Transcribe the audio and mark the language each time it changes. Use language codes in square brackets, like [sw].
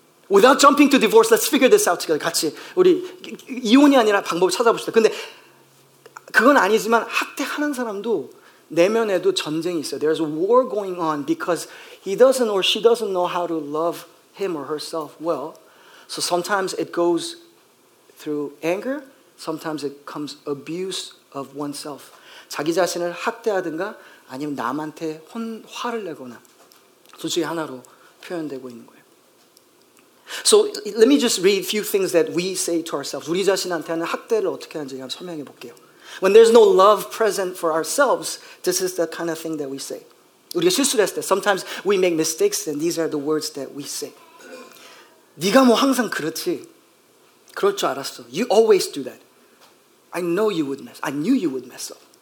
[en] Without jumping to divorce, let's figure this out together. [ko] 같이 우리 이혼이 아니라 방법을 찾아봅시다. 근데 그건 아니지만 학대하는 사람도 내면에도 전쟁이 있어요. [en] There's a war going on because he doesn't or she doesn't know how to love him or herself well. So sometimes it goes through anger. Sometimes it comes abuse of oneself. [ko] 자기 자신을 학대하든가 아니면 남한테 화를 내거나 둘 중에 하나로 표현되고 있는 거예요. [en] So let me just read a few things that we say to ourselves. [ko] 우리 자신한테는 학대를 어떻게 하는지 한번 설명해 볼게요. [en] When there's no love present for ourselves, this is the kind of thing that we say. [ko] 우리가 실수를 했을 때, [en] sometimes we make mistakes, and these are the words that we say. [ko] 네가 뭐 항상 그렇지? 그럴 줄 알았어. [en] You always do that. I know you would mess. I knew you would mess up.